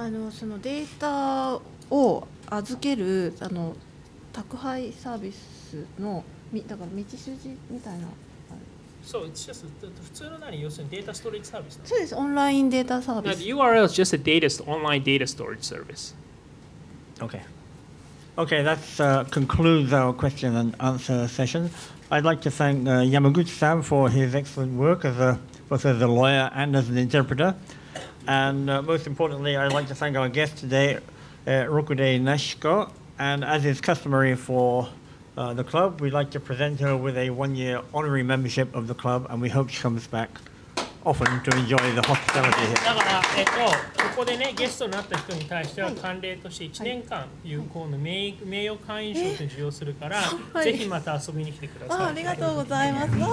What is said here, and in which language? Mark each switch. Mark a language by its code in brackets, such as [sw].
[ja] あの、そのデータを預ける、あの、宅配サービスの、だから道筋みたいな。 [en] So it's just [ja] 普通の何、要するにデータストレージサービス。そうです、オンラインデータサービス。 [en] Now, the URL is just a data, online data storage service. Okay. Okay, that concludes our question and answer session. I'd like to thank Yamaguchi-san for his excellent work as both as a lawyer and as an interpreter. And most importantly, I'd like to thank our guest today, Rokudenashiko. And as is customary for the club, we'd like to present her with a one-year honorary membership of the club, and we hope she comes back often to enjoy the hospitality here. [ja] だから、ここでね、ゲストになった人に対しては、慣例として1年間有効の名誉会員証を授与するから、ぜひまた遊びに来てください。ありがとうございます。